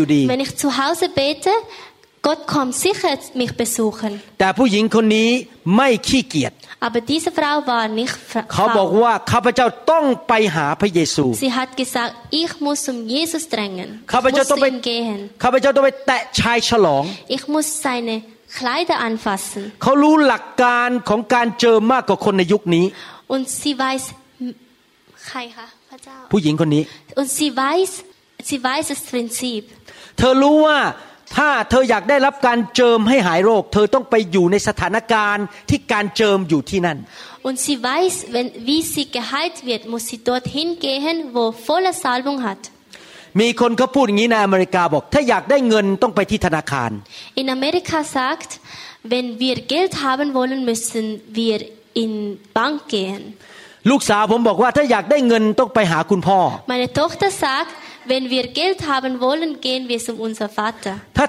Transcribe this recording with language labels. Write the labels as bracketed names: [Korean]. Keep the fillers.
[German] wenn ich zu Hause bete Gott kommt sicher mich besuchen. [Thai] แต่ผู้หญิงคนนี้ไม่ขี้เกียจ [German] Aber diese Frau war nicht [Thai] เขาบอก ว่าข้าพเจ้าต้องไปหาพระเยซู [German] Sie hat gesagt, ich muss zum Jesus drängen. [Thai] ข้าพเจ้าต้องไปข้าพเจ้าต้องไปแตะชายฉลอง [German] Ich muss seine Kleider anfassen. [Thai] เขารู้หลักการของการเจอมากกว่าคนในยุคนี้ [German] Und sie weiß [Thai] ใครคะพระเจ้าผู้หญิงคนนี้ [German] Und sie weiß sie weiß das Prinzip. [Thai] เธอรู้ว่าถ้าเธออยากได้รับการเจิมให้หายโรค เธอต้องไปอยู่ในสถานการณ์ที่การเจิมอยู่ที่นั่น [German] Und sie weiß, wenn wie sie geheilt wird, muss sie dorthin gehen, wo volle Salbung hat. [Thai] มีคนเขาพูดอย่างนี้ในอเมริกาบอก ถ้าอยากได้เงินต้องไปที่ธนาคาร [German] In America sagt, wenn wir Geld haben wollen, müssen wir in Bank gehen. [Thai] ลูกสาวผมบอกว่าถ้าอยากได้เงินต้องไปหาคุณพ่อ [German] Meine Tochter sagt, Wenn wir Geld haben wollen, gehen wir zu unserem Vater.